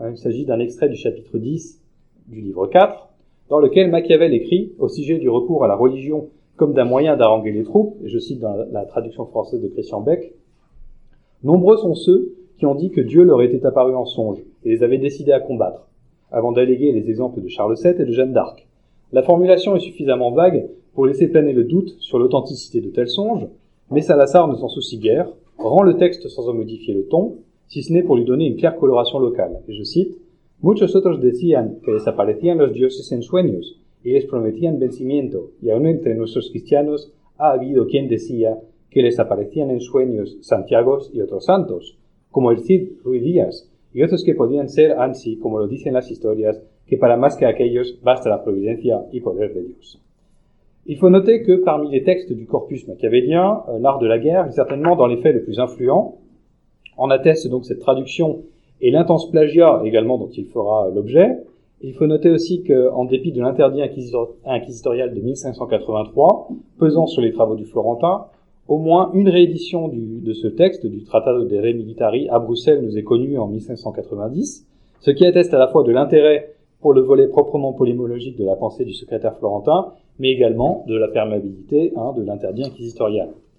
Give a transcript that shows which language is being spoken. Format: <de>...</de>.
<fr>Il s'agit d'un extrait du chapitre 10 du livre 4, dans lequel Machiavel écrit, au sujet du recours à la religion comme d'un moyen d'haranguer les troupes, et je cite dans la traduction française de Christian Beck, « Nombreux sont ceux qui ont dit que Dieu leur était apparu en songe et les avait décidés à combattre, avant d'alléguer les exemples de Charles VII et de Jeanne d'Arc. La formulation est suffisamment vague pour laisser planer le doute sur l'authenticité de tels songes, mais Salazar ne s'en soucie guère, rend le texte sans en modifier le ton, si ce n'est pour lui donner une claire coloration locale. Et je cite,</fr> <es>« Muchos otros decían que les aparecían los dioses en sueños y les prometían vencimiento, y aun entre nuestros cristianos ha habido quien decía que les aparecían en sueños Santiago y otros santos, como el Cid Ruy Díaz, y otros que podían ser ansi, como lo dicen las historias, que para más que aquellos basta la providencia y poder de Dios. »</es> <fr>Il faut noter que parmi les textes du corpus machiavélien, l'art de la guerre est certainement dans les faits le plus influent. En atteste donc cette traduction et l'intense plagiat également dont il fera l'objet. Il faut noter aussi qu'en dépit de l'interdit inquisitorial de 1583, pesant sur les travaux du Florentin, au moins une réédition de ce texte, du Trattato de Re Militari, à Bruxelles, nous est connue en 1590, ce qui atteste à la fois de l'intérêt pour le volet proprement polémologique de la pensée du secrétaire florentin, mais également de la perméabilité hein, de l'interdit inquisitorial.</fr>